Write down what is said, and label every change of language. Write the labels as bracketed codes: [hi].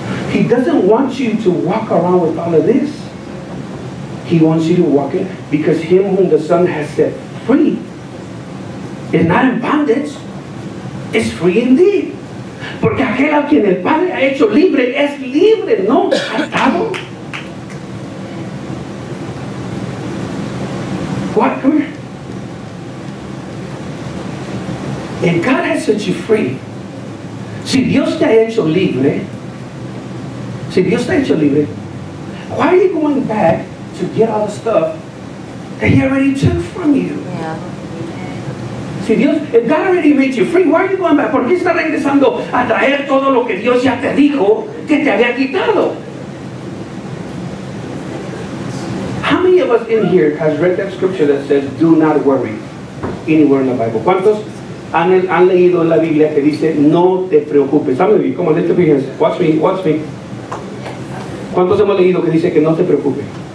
[en] He doesn't want you to walk around with all of this. He wants you to walk in because him whom the Son has set free is not in bondage, is free indeed. [es] Porque aquel a quien el Padre ha hecho libre es libre, no atado. [en] What? Come here. If God has set you free, [es] si Dios te ha hecho libre, [en] si Dios te ha hecho libre, why are you going back to get all the stuff that he already took from you? Yeah. [es] Si Dios, [en] if God already made you free, why are you going back? [es] ¿Por qué está regresando a traer todo lo que Dios ya te dijo que te había quitado? [en] How many of us in here has read that scripture that says, do not worry, anywhere in the Bible? [es] ¿Cuántos han leído en la Biblia que dice, no te preocupes? [en] Come on, let's be honest. Watch me. [es] ¿Cuántos hemos leído que dice que no te preocupes?